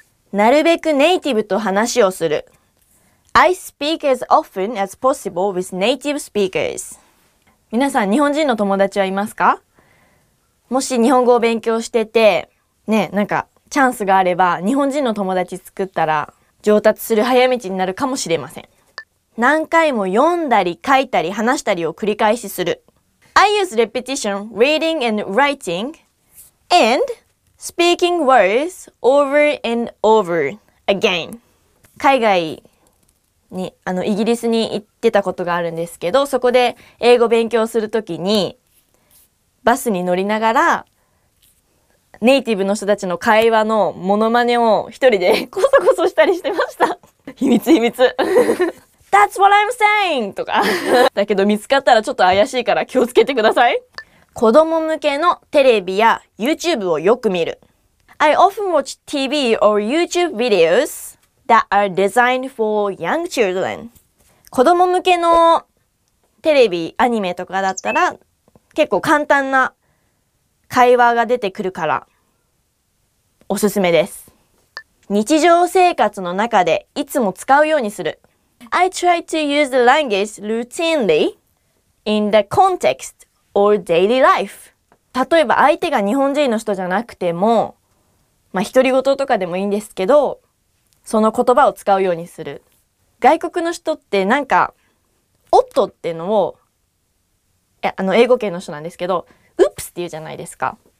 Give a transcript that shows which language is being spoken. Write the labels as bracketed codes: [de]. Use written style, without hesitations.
[ja] なるべくネイティブと話をする。 [en] I speak as often as possible with native speakers. [ja] 皆さん、日本人の友達はいますか？もし日本語を勉強してて、ね、なんかチャンスがあれば、日本人の友達作ったら上達する早道になるかもしれません。何回も読んだり書いたり話したりを繰り返しする。 [en] I use repetition, reading and writing, andSpeaking words over and over again. [ja] 海外に、イギリスに行ってたことがあるんですけど、そこで英語勉強するときに、バスに乗りながら、ネイティブの人たちの会話のモノマネを一人でコソコソしたりしてました。秘密秘密。 [en] That's what I'm saying! [ja] とか。だけど見つかったらちょっと怪しいから気をつけてください。子供向けのテレビや YouTube をよく見る。 [en] I often watch TV or YouTube videos that are designed for young children. [ja] 子供向けのテレビ、アニメとかだったら結構簡単な会話が出てくるからおすすめです。日常生活の中でいつも使うようにする。 [en] I try to use the language routinely in the contextOr daily life. [ja] 例えば相手が日本人の人じゃなくても、まあ独り言とかでもいいんですけど、その言葉を使うようにする。外国の人ってなんか、おっとっていうのを、英語圏の人なんですけど、ウップスって言うじゃないですか。